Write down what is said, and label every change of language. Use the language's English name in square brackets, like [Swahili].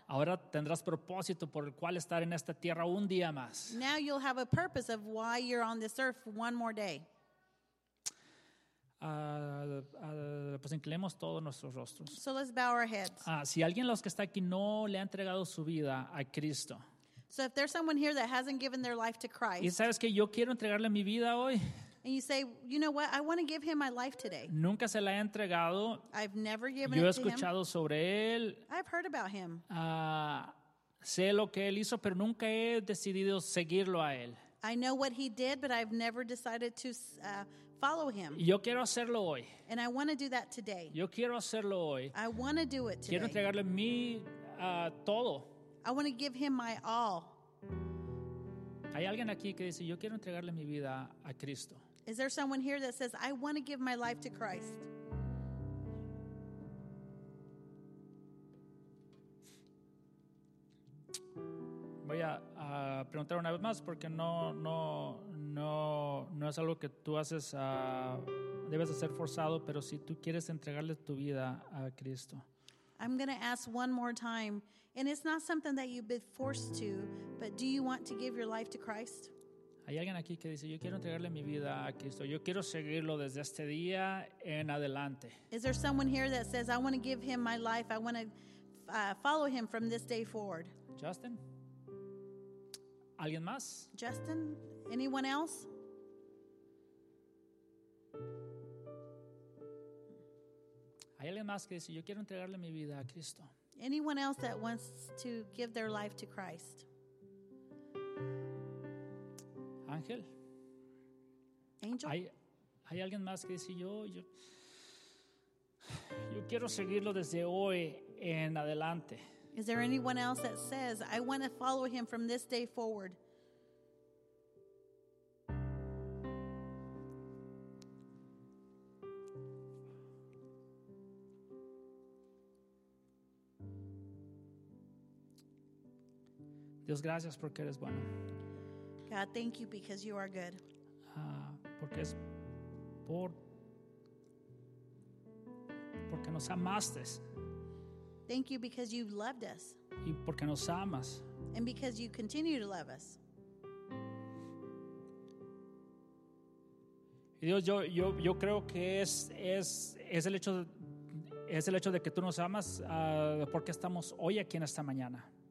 [Spanish] Ahora tendrás propósito por el cual estar en esta tierra un día más. [English] Now you'll have a purpose of why you're on this earth one more day. [Spanish] Pues inclinemos todos nuestros rostros. [English] So let's bow our heads. [Spanish] Si alguien de los que está aquí no le ha entregado su vida a Cristo. [English] So if there's someone here that hasn't given their life to Christ. [Spanish] Y sabes que yo quiero entregarle mi vida hoy. [English] And you say, you know what? I want to give him my life today. [Spanish] Nunca se la he entregado. [English] I've never given it to him. [Spanish] Yo he escuchado sobre él. [English] I've heard about him. [Spanish] Sé lo que él hizo, pero nunca he decidido seguirlo a él. [English] I know what he did, but I've never decided to follow him. [Spanish] Yo quiero hacerlo hoy. [English] And I want to do that today. [Spanish] Yo quiero hacerlo hoy. [English] I want to do it today. [Spanish] Quiero entregarle mi todo. [English] I want to give him my all. [Spanish] Hay alguien aquí que dice, yo quiero entregarle mi vida a Cristo. [English] Is there someone here that says, I want to give my life to Christ? [Spanish] Voy a preguntar una vez más porque no es algo que tú haces, debes hacer forzado, pero si tú quieres entregarle tu vida a Cristo. [English] I'm going to ask one more time. And it's not something that you've been forced to, but do you want to give your life to Christ? [Spanish] Hay alguien aquí que dice, yo quiero entregarle mi vida a Cristo. Yo quiero seguirlo desde este día en adelante. [English] Is there someone here that says, I want to give him my life. I want to follow him from this day forward. [Spanish] Justin? ¿Alguien más? [English] Justin? Anyone else? [Spanish] Hay alguien más que dice, yo quiero entregarle mi vida a Cristo. [English] Anyone else that wants to give their life to Christ? [Spanish] Ángel. [English] Angel. [Spanish] Hay alguien más que dice yo quiero seguirlo desde hoy en adelante. [English] Is there anyone else that says I want to follow him from this day forward? [Spanish] Dios, gracias porque eres bueno. [English] God, thank you because you are good. [Spanish] Porque es porque nos amaste. [English] Thank you because you loved us. [Spanish] Y porque nos amas. [English] And because you continue to love us. [Spanish] Y Dios, yo creo que es el hecho de que tú nos amas porque estamos hoy aquí en esta mañana.